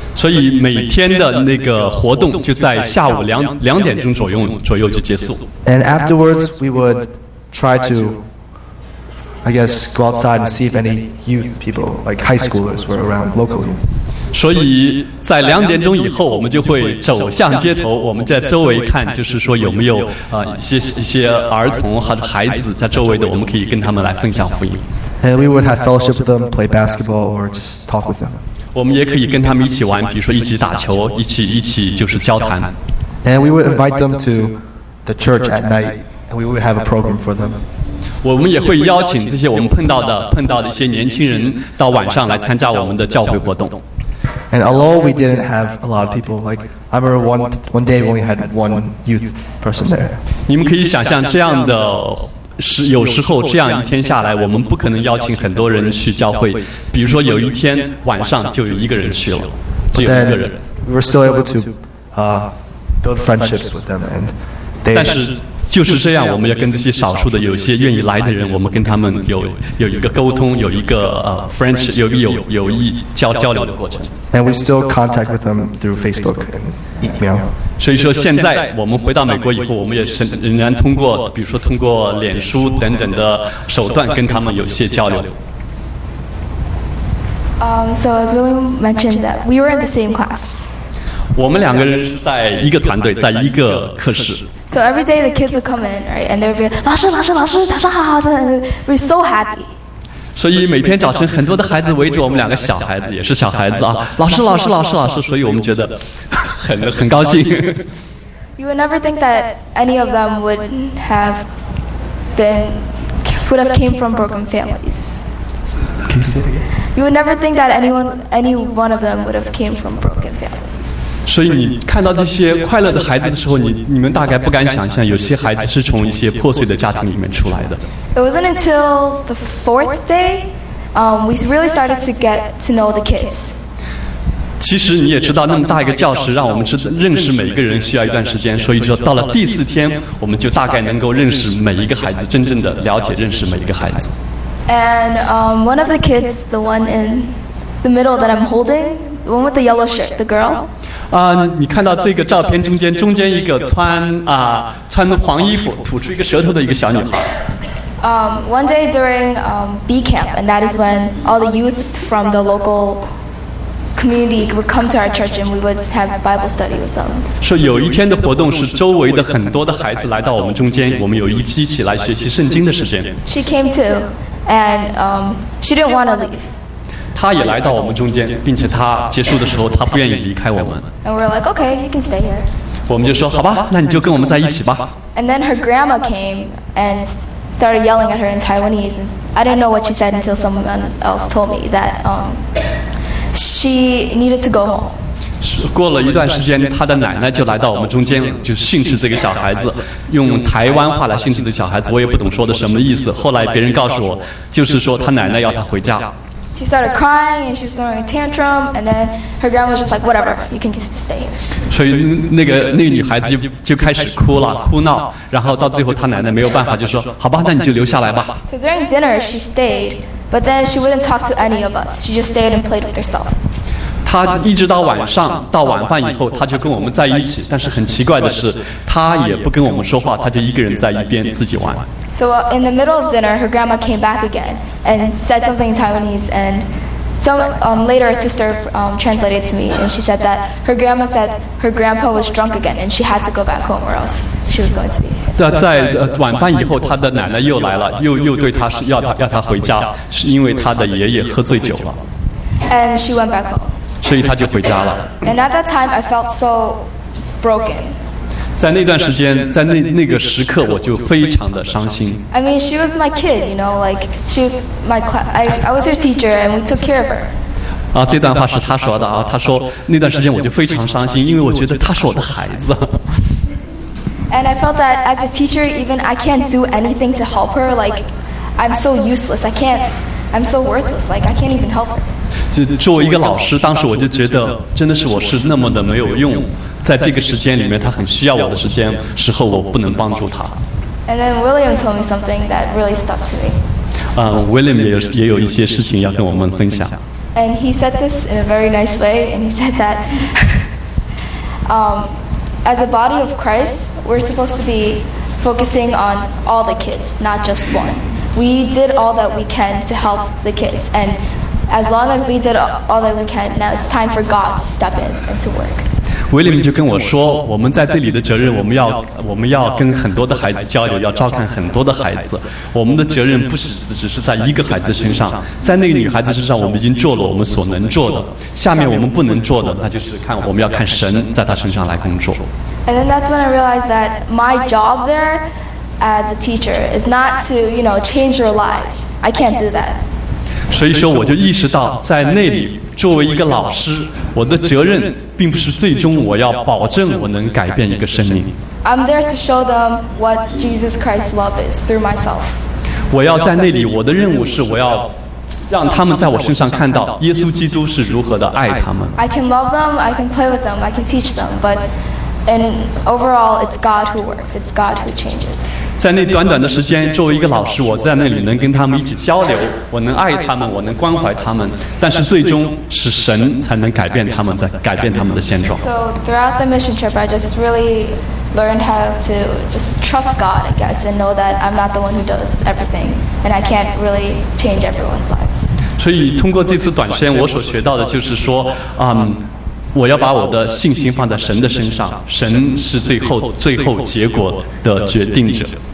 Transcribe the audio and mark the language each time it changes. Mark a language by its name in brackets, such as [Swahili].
[Chinese] 所以每天的那个活动就在下午2点钟左右就结束。 [English] And afterwards, we would try to I guess, go outside and see if any youth people, like high schoolers, were around locally. [Chinese] 所以在两点钟以后，我们就会走向街头，我们在周围看，就是说有没有一些儿童和孩子在周围的，我们可以跟他们来分享福音。 [English] And we would have fellowship with them, play basketball, or just talk with them. [Chinese] 我们也可以跟他们一起玩，比如说一起打球，一起就是交谈。 [English] And we would invite them to the church at night, and we would have a program for them. [Chinese] 我们也会邀请这些我们碰到的一些年轻人到晚上来参加我们的教会活动。 [English] And although we didn't have a lot of people, like I remember one day when we had one youth person there. [Chinese] 你们可以想象这样的有时候这样一天下来，我们不可能邀请很多人去教会。比如说有一天晚上就有一个人去了，只有一个人。 [English] We were still able to build friendships with them, and they. [Chinese] 但是就是这样，我们要跟这些少数的有些愿意来的人，我们跟他们有一个沟通，有一个friendship, 有一交流的过程。 [English] And we still contact with them through Facebook and email. [Chinese] 所以说现在我们回到美国以后，我们也仍然通过，比如说通过脸书等等的手段跟他们有些交流。 [English] So as William mentioned that we were in the same class. [Chinese] 我们两个人是在一个团队，在一个课室。 [English] So every day the kids would come in, right? And they would be like, [Chinese] 老师，老师，老师，早上好。 [English] We're so happy. [Chinese] 所以每天早晨，很多的孩子围着我们两个小孩子，也是小孩子啊，老师，老师，老师，老师。所以我们觉得很高兴。 [English] You would never think that any of them would have came from broken families. You would never think that any one of them would have came from broken families. [Chinese] 所以你看到这些快乐的孩子的时候，你们大概不敢想象，有些孩子是从一些破碎的家庭里面出来的。 [English] It wasn't until the fourth day, we really started to get to know the kids. [Chinese] 其实你也知道，那么大一个教室，让我们认识每一个人需要一段时间。所以说，到了第四天，我们就大概能够认识每一个孩子，真正的了解认识每一个孩子。 [English] And one of the kids, the one in the middle that I'm holding, the one with the yellow shirt, the girl. [Chinese] 你看到这个照片中间一个穿黄衣服吐出一个舌头的一个小女孩。 [English] One day during B camp, and that is when all the youth from the local community would come to our church and we would have Bible study with them. [Chinese] 说有一天的活动是周围的很多的孩子来到我们中间，我们有一起来学习圣经的时间。 [English] She came too, and she didn't want to leave. [Chinese] 他也来到我们中间，并且他结束的时候，他不愿意离开我们。 [English] And we're like, okay, you can stay here. [Chinese] 我们就说，好吧，那你就跟我们在一起吧。 [English] And then her grandma came and started yelling at her in Taiwanese. And I didn't know what she said until someone else told me that she needed to go home. [Chinese] 过了一段时间，他的奶奶就来到我们中间，就训斥这个小孩子，用台湾话来训斥这个小孩子。我也不懂说的什么意思。后来别人告诉我，就是说他奶奶要他回家。 [English] She started crying and she was throwing a tantrum, and then her grandma was just like, "Whatever, you can just stay here." [Chinese] 所以那个女孩子就开始哭了，哭闹，然后到最后她奶奶没有办法，就说，好吧，那你就留下来吧。 [English] So during dinner, she stayed, but then she wouldn't talk to any of us. She just stayed and played with herself. [Chinese] 她一直到晚上，到晚饭以后，她就跟我们在一起。但是很奇怪的是，她也不跟我们说话，她就一个人在一边自己玩。 [English] So in the middle of dinner, her grandma came back again and said something in Taiwanese. And some later, a sister translated to me, and she said that her grandma said her grandpa was drunk again, and she had to go back home or else she was going to be. [Chinese] 在晚饭以后，她的奶奶又来了，又对她是要她回家，是因为她的爷爷喝醉酒了。 [English] And she went back home. [Chinese] 所以她就回家了。 [English] And at that time, I felt so broken. [Chinese] 在那段时间，在那个时刻，我就非常的伤心。 [English] I mean, she was my kid, you know, like she was my class. I was her teacher, and we took care of her. [Chinese] 啊，这段话是他说的啊。他说那段时间我就非常伤心，因为我觉得他是我的孩子。 [English] And I felt that as a teacher, even I can't do anything to help her. Like I'm so useless. I'm so worthless. Like I can't even help her. [Chinese] 就作为一个老师，当时我就觉得真的是我是那么的没有用。在这个时间里面，他很需要我的时候，我不能帮助他。 [English] And then William told me something that really stuck to me. [Chinese] William 也有一些事情要跟我们分享。 [English] And he said this in a very nice way, and he said that, as a body of Christ, we're supposed to be focusing on all the kids, not just one. we did all that we can to help the kids. And as long as we did all that we can, now it's time for God to step in and to work. [Chinese] William 就跟我说，我们在这里的责任，我们要跟很多的孩子交流，要照看很多的孩子。我们的责任不是只是在一个孩子身上，在那个女孩子身上，我们已经做了我们所能做的。下面我们不能做的，那就是看我们要看神在她身上来工作。 [English] And then that's when I realized that my job there as a teacher is not to, you know, change your lives. I can't do that. [Chinese] 所以说，我就意识到在那里。作为一个老师，我的责任并不是最终我要保证我能改变一个生命。 [English] I'm there to show them what Jesus Christ's love is through myself. [Chinese] 我要在那里，我的任务是我要让他们在我身上看到耶稣基督是如何的爱他们。 [English] I can love them, I can play with them, I can teach them, but in overall, it's God who works, it's God who changes. [Chinese] 在那短短的时间，作为一个老师，我在那里能跟他们一起交流，我能爱他们，我能关怀他们，但是最终是神才能改变他们，在改变他们的现状。 [English] So throughout the mission trip, I just really learned how to just trust God, I guess, and know that I'm not the one who does everything, and I can't really change everyone's lives. [Chinese] 所以通过这次短宣，我所学到的就是说，我要把我的信心放在神的身上，神是最后结果的决定者。